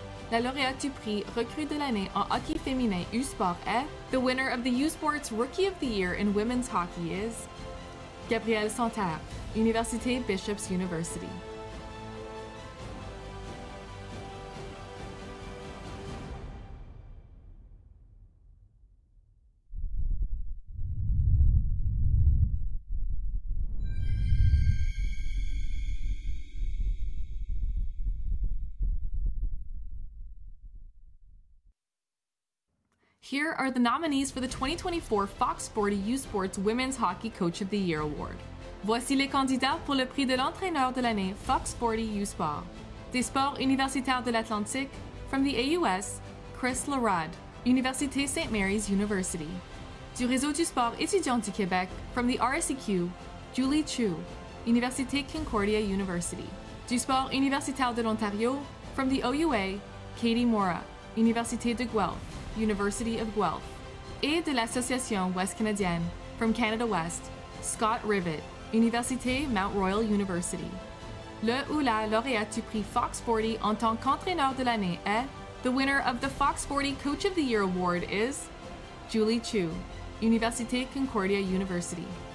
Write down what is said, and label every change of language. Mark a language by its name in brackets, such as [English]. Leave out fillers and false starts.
[French] La lauréate du prix Recrue de l'année en hockey féminin U-Sport est... [English] The winner of the U-Sports Rookie of the Year in women's hockey is... Gabrielle Santerre, Université Bishop's University. Here are the nominees for the 2024 Fox Sports U Sports Women's Hockey Coach of the Year Award. [French] Voici les candidats pour le prix de l'entraîneur de l'année Fox Sports U Sport. Des Sports Universitaires de l'Atlantique, [English] from the AUS, [French] Chris Larade, Université St. Mary's University. Du Réseau du Sport étudiant du Québec, [English] from the RSEQ, [French] Julie Chu, Université Concordia University. Du Sport Universitaire de l'Ontario, [English] from the OUA, [French] Katie Mora, Université de Guelph, University of Guelph. Et de l'Association Ouest Canadienne, [English] from Canada West, [French] Scott Rivett, Université Mount Royal University. Le ou la lauréate du prix Fox Sports en tant qu'entraîneur de l'année est... [English] The winner of the Fox Sports Coach of the Year Award is... Julie Chu, Université Concordia University.